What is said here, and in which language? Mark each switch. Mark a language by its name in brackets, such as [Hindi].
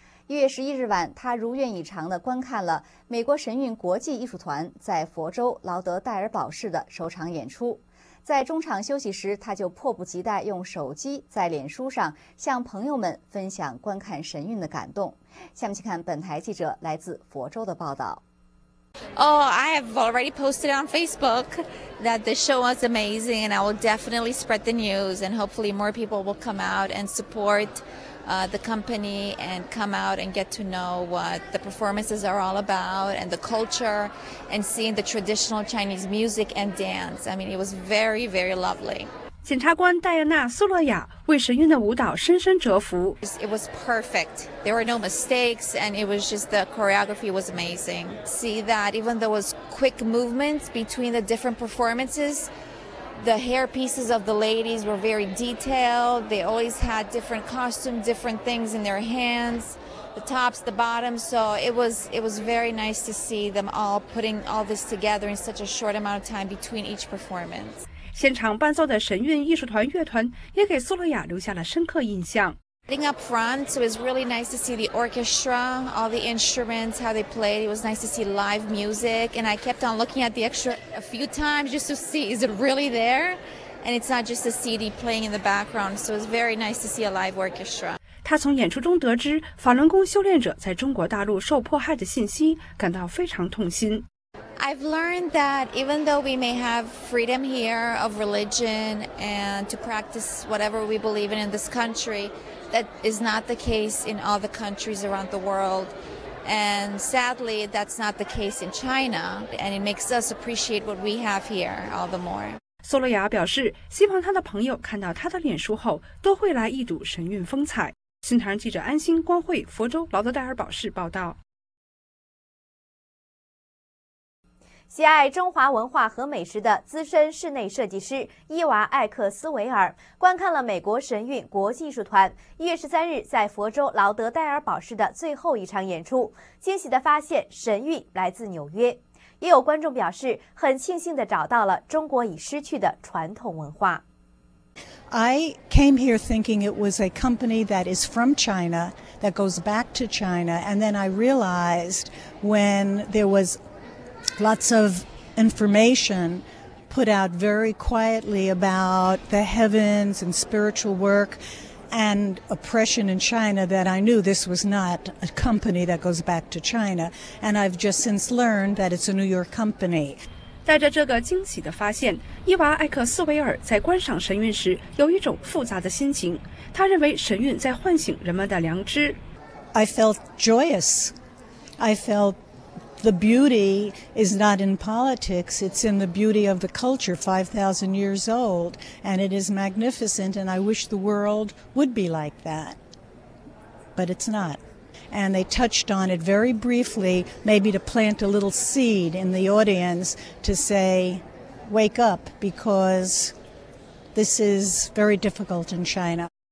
[Chinese] 1月11日晚，他如愿以偿地观看了美国神韵国际艺术团在佛州劳德戴尔堡市的首场演出。在中场休息时，他就迫不及待用手机在脸书上向朋友们分享观看神韵的感动。下面去看本台记者来自佛州的报道。 [English] Oh, I have already posted on Facebook that the show was amazing and I will definitely spread the news and hopefully more people will come out and support the company and come out and get to know what the performances are all about and the culture and seeing the traditional Chinese music and dance. I mean, it was very, very lovely. [Chinese] 检察官戴安娜·苏洛亚为神韵的舞蹈深深折服。 [English] It was perfect. There were no mistakes and it was just the choreography was amazing. See that even though it was quick movements between the different performances,The hair pieces of the ladies were very detailed. They always had different costumes, different things in their hands, the tops, the bottoms. So it was very nice to see them all putting all this together in such a short amount of time between each performance. [Chinese] 现场伴奏的神韵艺术团乐团也给苏洛亚留下了深刻印象。 [English] Sitting up front, so it was really nice to see the orchestra, all the instruments, how they played. It was nice to see live music, and I kept on looking at the extra a few times just to see, is it really there? And it's not just a CD playing in the background, so it was very nice to see a live orchestra. [Chinese] 他从演出中得知法轮功修炼者在中国大陆受迫害的信息，感到非常痛心。 [English] I've learned that even though we may have freedom here of religion and to practice whatever we believe in this country,That is not the case in all the countries around the world. And sadly, that's not the case in China. And it makes us appreciate what we have here all the more. [Chinese] 苏洛亚表示，希望他的朋友看到他的脸书后，都会来一睹神韵风采。新唐人记者安心、光慧，佛州劳德戴尔堡市报道。喜爱中华文化和美食的资深室内设计师伊娃·艾克斯维尔观看了美国神韵国际艺术团1月13日在佛州劳德戴尔堡市的最后一场演出，惊喜地发现神韵来自纽约。也有观众表示很庆幸地找到了中国已失去的传统文化。 [English] I came here thinking it was a company that is from China, that goes back to China, and then I realized when there was lots of information put out very quietly about the heavens and spiritual work and oppression in China that I knew this was not a company that goes back to China. And I've just since learned that it's a New York company. [Chinese] 带着这个惊喜的发现，伊娃·艾克斯维尔在观赏神韵时有一种复杂的心情。他认为神韵在唤醒人们的良知。 [English] I felt joyous. I felt the beauty is not in politics, it's in the beauty of the culture 5,000 years old, and it is magnificent, and I wish the world would be like that. But it's not. And they touched on it very briefly, maybe to plant a little seed in the audience to say, wake up, because this is very difficult in China.